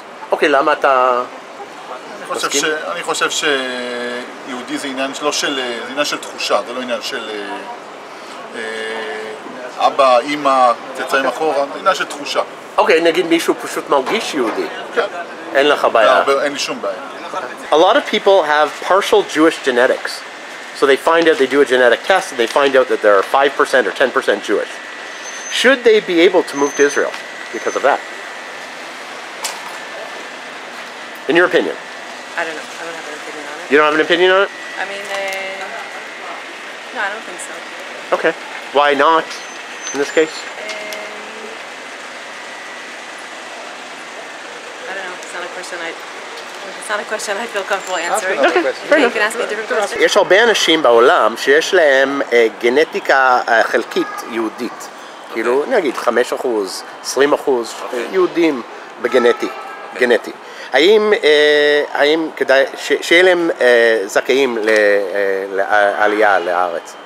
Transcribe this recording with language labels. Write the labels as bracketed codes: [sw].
[he] אוקיי, למה אתה... אני חושב שיהודי זה עניין לא של, זה עניין של תחושה, זה לא עניין של אבא, אמא, צאצאים אחורה, זה עניין של תחושה. אוקיי, נגיד מישהו פשוט מרגיש יהודי. כן. אין לך בעיה. אין לי שום בעיה. [en] A lot of people have partial Jewish genetics. So they find out, they do a genetic test, and they find out that they're 5% or 10% Jewish. Should they be able to move to Israel because of that? In your opinion? I don't know. I don't have an opinion on it. You don't have an opinion on it? I mean, no, I don't think so. Okay. Why not in this case? I don't know. It's not a question I feel comfortable answering. Okay, fair enough. You can ask me a different question. [he] יש הרבה אנשים בעולם שיש להם גנטיקה חלקית יהודית. כאילו, נגיד 5%, 20% יהודים בגנטי. האם כדאי שיהיה להם זכאים לעלייה לארץ?